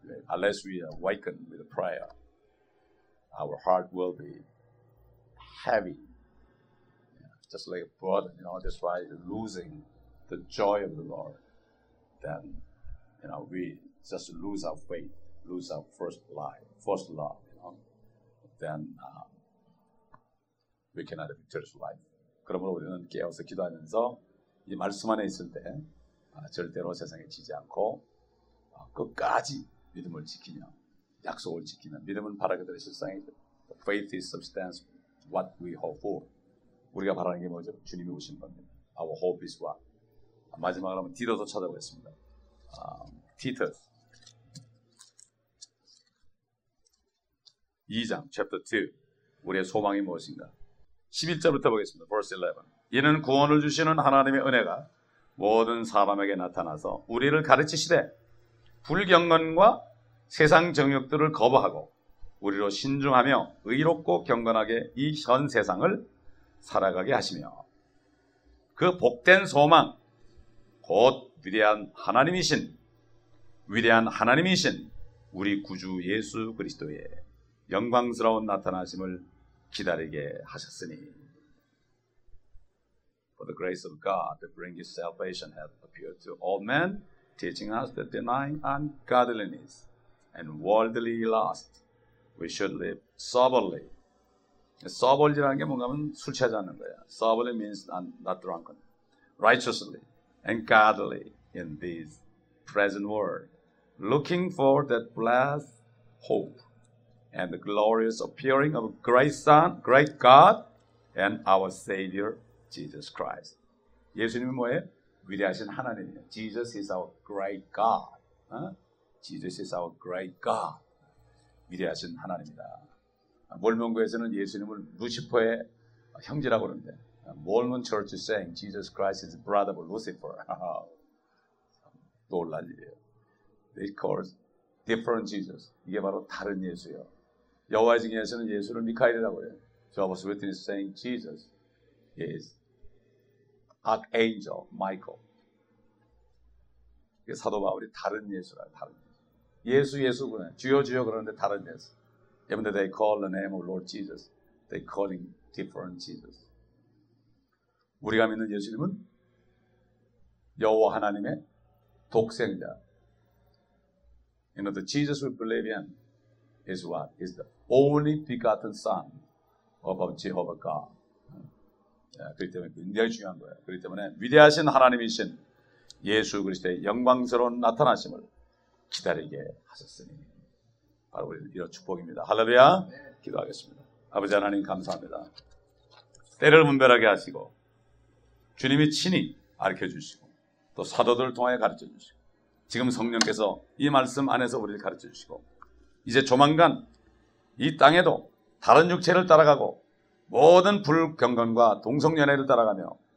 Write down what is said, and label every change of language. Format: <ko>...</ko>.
<en>Unless we awaken with a prayer, our heart will be heavy, just like a burden, you know, that's why losing the joy of the Lord, then, you know, we just lose our faith, lose our first life, first love, you know, then we cannot have a victorious life.</en> <ko>그러므로 우리는 깨어서 기도하면서 이 말씀 안에 있을 때 절대로 세상에 지지 않고 끝까지 믿음을 지키며 약속을 지키며 믿음은 바라기들의 실상이</ko> <en>The faith is substance what we hope for.</en> <ko>우리가 바라는 게 뭐죠? 주님이 오신 겁니다.</ko> <en>Our hope is what?</en> <ko>마지막으로 한번 디더도 찾아보겠습니다. 디더 2장 chapter 2 우리의 소망이 무엇인가? 11절부터 보겠습니다. Verse 11 이는 구원을 주시는 하나님의 은혜가 모든 사람에게 나타나서 우리를 가르치시되 불경건과 세상 정욕들을 거부하고 우리로 신중하며 의롭고 경건하게 이 현 세상을 살아가게 하시며 그 복된 소망 곧 위대한 하나님이신 우리 구주 예수 그리스도의 영광스러운 나타나심을 기다리게 하셨으니</ko> <en>For the grace of God that brings salvation hath appeared to all men teaching us that denying ungodliness and worldly lust we should live soberly.</en> <ko>Soberly라는 게 뭔가 하면 술 취하지 않는 거야.</ko> <en>Soberly means not drunken. Righteously and godly in this present world. Looking for that blessed hope and the glorious appearing of great Son, great God and our Savior Jesus Christ.</en> <ko>예수님이 뭐예요? 위대하신 하나님이에요.</ko> <en>Jesus is our great God. Jesus is our great God.</en> <ko>위대하신 하나님이다. 몰몬교에서는 예수님을 루시퍼의 형제라고 그러는데</ko> <en>Mormon Church is saying Jesus Christ is the brother of Lucifer.</en> <ko>놀랄 일이에요.</ko> <en>They call different Jesus.</en> <ko>이게 바로 다른 예수예요. 여호와의 증인에서는 예수를 미카엘이라고 해요.</ko> <en>Jehovah's Witness is saying Jesus is Archangel Michael.</en> <ko>이게 사도 바울이 다른 예수라 다른 예수. 예수 그래. 주여 그러는데 다른 예수.</ko> <en>Even though they call the name of Lord Jesus, they call him different Jesus.</en> <ko>우리가 믿는 예수님은 여호와 하나님의 독생자.</ko> <en>You know, the Jesus we believe in is what? Is the only begotten Son of Jehovah God.</en> <ko>그렇기 때문에 굉장히 중요한 거예요. 그렇기 때문에 위대하신 하나님이신 예수 그리스도의 영광스러운 나타나심을 기다리게 하셨으니 바로 우리는 이런 축복입니다. 할렐루야 기도하겠습니다. 아버지 하나님 감사합니다. 때를 분별하게 하시고 주님이 친히 가르쳐주시고 또 사도들을 통해 가르쳐주시고 지금 성령께서 이 말씀 안에서 우리를 가르쳐주시고 이제 조만간 이 땅에도 다른 육체를 따라가고 모든 불경건과 동성연애를 따라가며</ko>